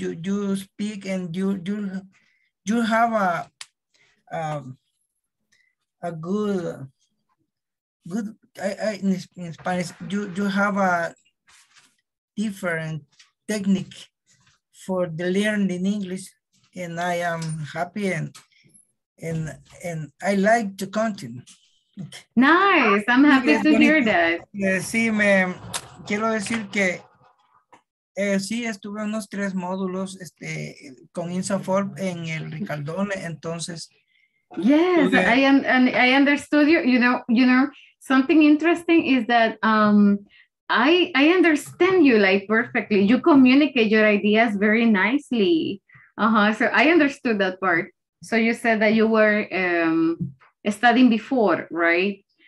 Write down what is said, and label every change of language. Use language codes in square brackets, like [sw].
[en] You speak and you have a good in Spanish. You have a different technique for the learning English, and I am happy and I like to continue. Nice, I'm happy to hear that. [es] Sí, me quiero decir que sí estuve unos 3 módulos con INSAFORP en el Ricardone, entonces. [en] Yes, I understood you. You know, something interesting is that I understand you like perfectly. You communicate your ideas very nicely. Uh-huh. So I understood that part. So you said that you were studying before, right?